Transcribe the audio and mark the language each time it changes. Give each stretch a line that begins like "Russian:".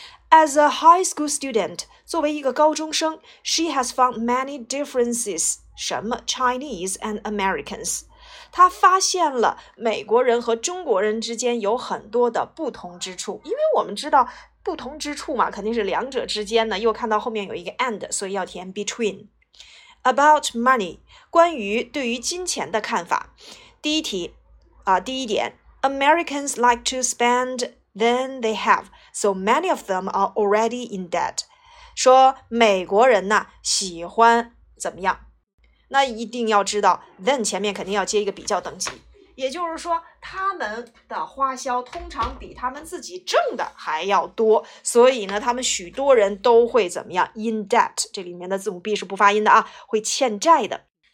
English: As a high school student,
Chinese: 作为一个高中生
English: ,she has found many differences,
Chinese: 什么
English: Chinese and Americans.
Chinese: 他发现了美国人和中国人之间有很多的不同之处，因为我们知道不同之处嘛，肯定是两者之间呢，又看到后面有一个 and, 所以要填 between.
English: About money,
Chinese: 关于对于金钱的看法。第一题啊，第一点
English: ,Americans like to spend than they have, so many of them are already in debt.
Chinese: 说美国人呢喜欢怎么样。那一定要知道 then 前面肯定要接一个比较等级，也就是说他们的花销通常比他们自己挣的还要多，所以呢他们许多人都会怎么样
English: in debt,
Chinese: 这里面的字母 B 是不发音的啊，会欠债的。